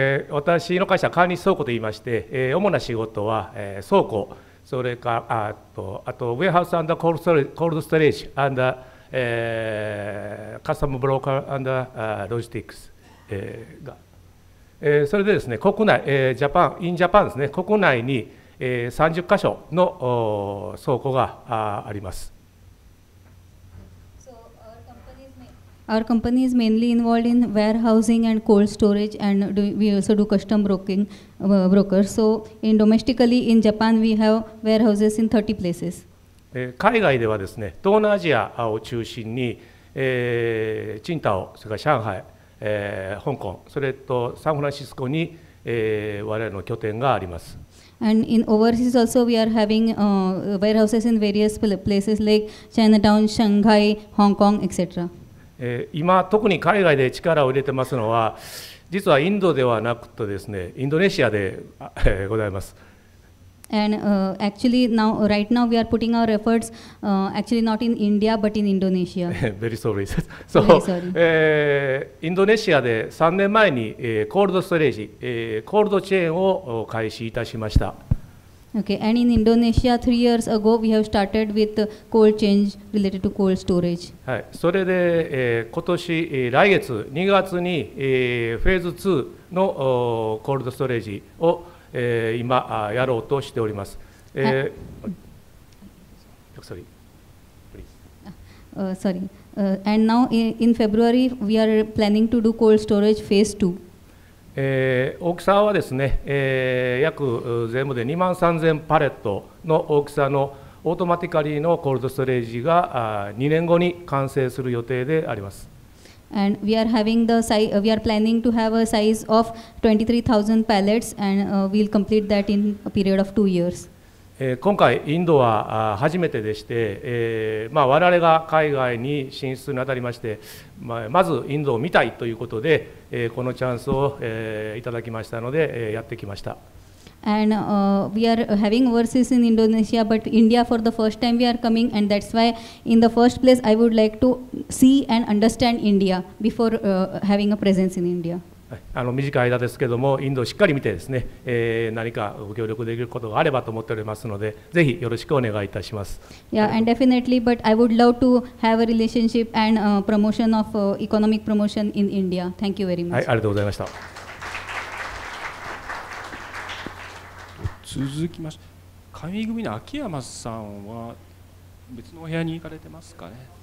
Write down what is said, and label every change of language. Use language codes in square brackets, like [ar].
[ja] 私の会社は管理倉庫と言いまして、主な仕事は、倉庫、それからあとウェアハウス&コールドストレージ&カスタムブローカー&ロジティクス、が、それでですね、国内、ジャパン、インジャパンですね、国内に、30カ所の倉庫があります。 [en] Our company is mainly involved in warehousing and cold storage, and we also do custom broking, brokers. So, in domestically in Japan, we have warehouses in 30 places. [ja] 海外ではですね、東南アジアを中心に、青島、それから上海、香港、それとサンフランシスコに、我々の拠点があります。 [en] And in overseas also, we are having warehouses in various places like Chinatown, Shanghai, Hong Kong, etc. [ja] 今特に海外で力を入れてますのは実はインドではなくてですねインドネシアでございます。 [en] And actually now, right now we are putting our efforts actually not in India but in Indonesia. Very sorry. So, Very sorry. [ja] インドネシアで3年前に、コールドストレージ、コールドチェーンを開始いたしました。 [en] Okay. And in Indonesia, 3 years ago, we have started with cold chain related to cold storage. [ja] はい。それで、今年、来月2月に、フェーズ2のコールドストレージを、今やろうとしております。 [en] Sorry. And now in February, we are planning to do cold storage phase 2. [ja] 大きさはですね、約全部で2万3000パレットの大きさのオートマティカリーのコールドストレージが2年後に完成する予定であります。 [en] And we are having the size, we are planning to have a size of 23,000 pallets and we'll complete that in a period of 2 years. [ja] 今回インドは初めてでして、まあ、我々が海外に進出にあたりまして、まあ、まずインドを見たいということで、このチャンスを、いただきましたので、やってきました。 [en] And we are having overseas in Indonesia, but India for the first time we are coming, and that's why in the first place I would like to see and understand India before having a presence in India. [ja] 短い間ですけれども、インドをしっかり見てですね、何かご協力できることがあればと思っておりますので、ぜひよろしくお願いいたします。 [en] Yeah, and definitely, but I would love to have a relationship and promotion of economic promotion in India. Thank you very much. [ja] はい、ありがとうございました。続きまして、神組の秋山さんは別のお部屋に行かれてますかね。